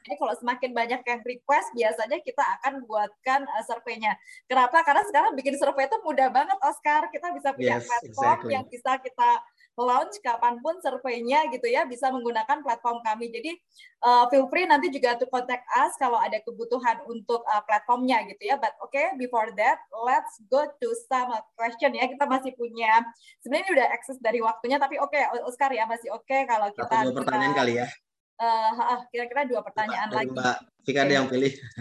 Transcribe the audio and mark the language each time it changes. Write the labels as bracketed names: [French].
[Indonesian] Jadi kalau semakin banyak yang request, biasanya kita akan buatkan surveinya. Kenapa? Karena sekarang bikin survei itu mudah banget, Oscar. Kita bisa punya platform yang bisa kita launch kapanpun surveinya gitu ya, bisa menggunakan platform kami. Jadi feel free nanti juga [English] to contact us [Indonesian] kalau ada kebutuhan untuk platformnya gitu ya. [English] But okay, before that, let's go to some question ya. [Indonesian] Kita masih punya, sebenarnya udah access dari waktunya, tapi okay, Oscar ya, masih okay kalau kita. Satu dua pertanyaan kita, kali ya. Kira-kira dua pertanyaan dari lagi. Mbak Fika ada yang pilih.